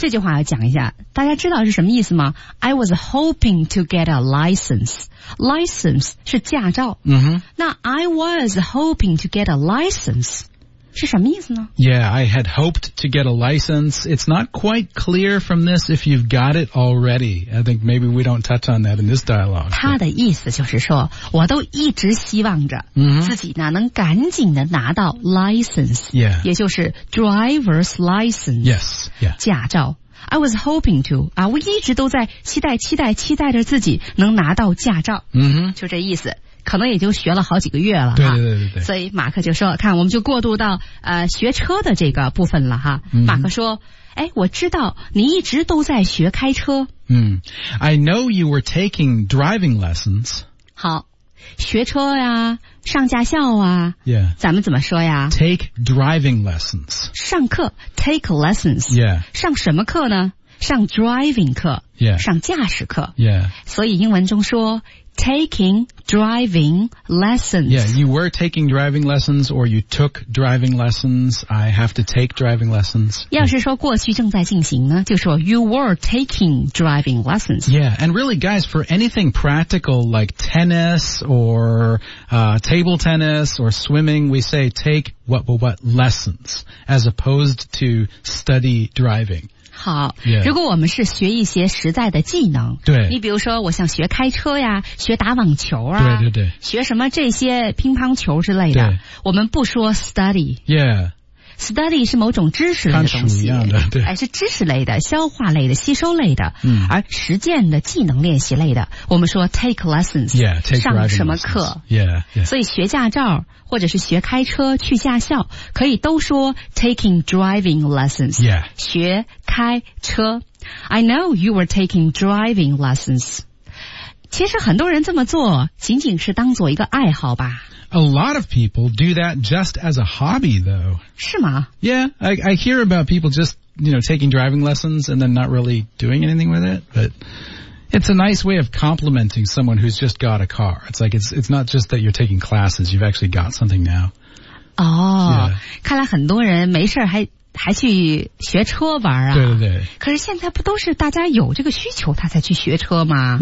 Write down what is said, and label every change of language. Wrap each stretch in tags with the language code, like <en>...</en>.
<zh>这句话要讲一下。大家知道是什么意思吗 ?</zh> <en>I was hoping to get a license.</en> <zh>License 是驾照。 Mm-hmm.</zh> <en>那 I was hoping to get a license.</en> <zh>是什么意思呢</zh> <en>Yeah, I had hoped to get a license. It's not quite clear from this if you've got it already. I think maybe we don't touch on that in this dialogue.</en> <zh>他的意思就是说我都一直希望着自己呢、 mm-hmm. 能赶紧的拿到 license.</zh> <en>Yeah.</en> <zh>也就是 driver's license.</zh> <en>Yes. Yeah. 驾照。I was hoping to.</en> <zh>啊我一直都在期待期待期待着自己能拿到驾照。嗯、mm-hmm. 就这意思。可能也就学了好几个月了哈，对对对对。所以马克就说：“看，我们就过渡到学车的这个部分了哈。 Mm-hmm. ” 马克说：“哎，我知道你一直都在学开车。”</zh> <en>嗯 ，I know you were taking driving lessons。</en> <zh>好，学车呀，上驾校啊。</zh> <en>Yeah。</en> <zh>咱们怎么说呀</zh> <en>？Take driving lessons。</en> <zh>上课 ，</zh> <en>take lessons。 Yeah。</en> <zh>上什么课呢？上 driving 课。</zh> <en>Yeah。</en> <zh>上驾驶课。</zh> <en>Yeah。</en> <zh>所以英文中说。</zh> <en>Taking driving lessons. Yeah, you were taking driving lessons or you took driving lessons. I have to take driving lessons.</en> <zh>要是说过去正在进行呢就说</zh> <en>you were taking driving lessons. Yeah, and really guys, for anything practical like tennis or, table tennis or swimming, we say take what lessons as opposed to study driving.</en> <zh>好、</zh> <en>yeah.</en> <zh>如果我们是学一些实在的技能对你比如说我想学开车呀学打网球啊对对对学什么这些乒乓球之类的我们不说 study</zh> <en>yeah</en> <zh>study 是某种知识类的东西一样的对还是知识类的消化类的吸收类的、嗯、而实践的技能练习类的我们说</zh> <en>take lessons yeah take</en> <zh>上什么课</zh> <en>yeah, yeah</en> <zh>所以学驾照或者是学开车去驾校可以都说</zh> <en>taking driving lessons yeah</en> <zh>学开车</zh> <en>I know you were taking driving lessons.</en> <zh>其实很多人这么做仅仅是当做一个爱好吧。</zh> <en>A lot of people do that just as a hobby, though. 是吗 Yeah, I hear about people just, you know, taking driving lessons and then not really doing anything with it, but... It's a nice way of complimenting someone who's just got a car. It's like, it's not just that you're taking classes, you've actually got something now. Oh, yeah.</en> <zh>看来很多人没事还去学车玩啊。对对对。可是现在不都是大家有这个需求他才去学车吗</zh>